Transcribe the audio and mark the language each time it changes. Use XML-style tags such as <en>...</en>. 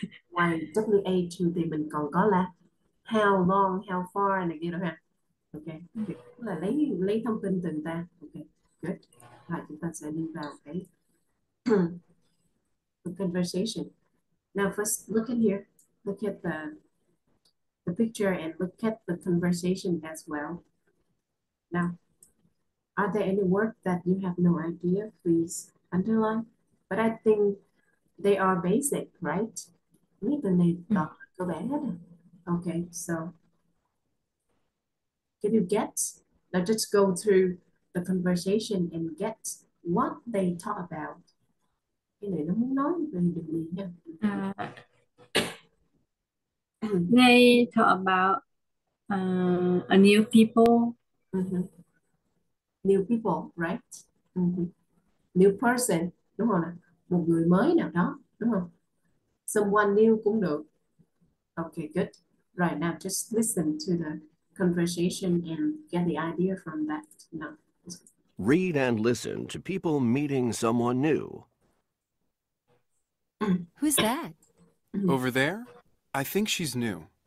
<vi>Ngoài WH thì mình còn có là how long, how far này kia rồi ha. Okay, thì cũng là lấy thông tin từ người ta. Okay, good. Và chúng ta sẽ đi vào cái</vi> <en>the conversation. Now first look at here. Look at the picture and look at the conversation as well. Now, are there any words that you have no idea? Please underline. But I think they are basic, right?</en> <vi>Mấy từ này toàn cơ bản hết.</vi> <en>Okay, so can you get? Now just go through the conversation and get what they talk about.</en> <vi>Cái này nó muốn nói về điều gì nha?</vi> <en>They talk about a new people. New people, right? New person,</en> <vi>đúng không nào? Một người mới nào đó, đúng không?</vi> <en>Someone new</en> <vi>cũng được.</vi> <en>Okay, good. Right now, just listen to the conversation and get the idea from that. Now. Read and listen to people meeting someone new. Who's that? Over there? I think she's new.</en>